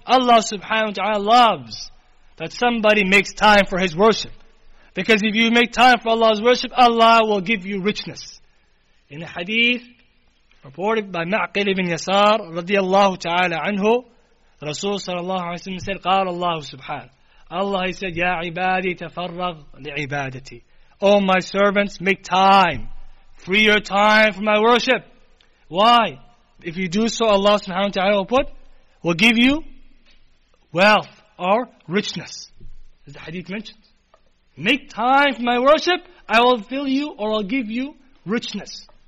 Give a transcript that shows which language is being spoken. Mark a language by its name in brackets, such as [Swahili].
[English] Allah subhanahu wa ta'ala loves that somebody makes time for his worship. Because if you make time for Allah's worship, Allah will give you richness. In a hadith reported by Ma'qil ibn Yasar radiallahu ta'ala anhu, Rasul sallallahu alayhi wa sallam said, [Arabic] قال الله سبحانه. [English] Allah, he said, [Arabic] يا عبادي تفرغ لعبادتي. [English] Oh my servants, make time. Free your time for my worship. Why? If you do so, Allah subhanahu wa ta'ala will give you wealth or richness. As the hadith mentions. Make time for my worship, I will fill you or I'll give you richness.